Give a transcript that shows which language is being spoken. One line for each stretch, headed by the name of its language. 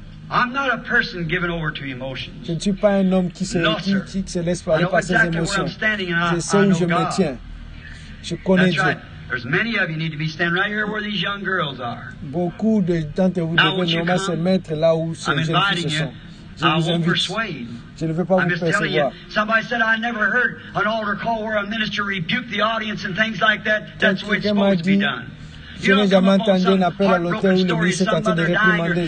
English: I'm not a person given over to emotions.
French: Je ne suis pas un homme qui se, no, qui se laisse aller par
English: exactly
French: ses émotions.
English: Where I'm standing and
French: je sais où je me tiens. Je connais Dieu.
English: Right. There's many of you need to be standing right here where these young girls are.
French: Beaucoup de d'entre vous devez normalement se mettre là où ces jeunes filles sont. Je vous invite. Je ne veux pas vous persuader.
English: Somebody said I never heard an altar call where a minister rebuked the audience and things like that. That's what it's supposed to be done.
French: Je n'ai jamais entendu un appel à l'hôtel où le ministre est en train de réprimander.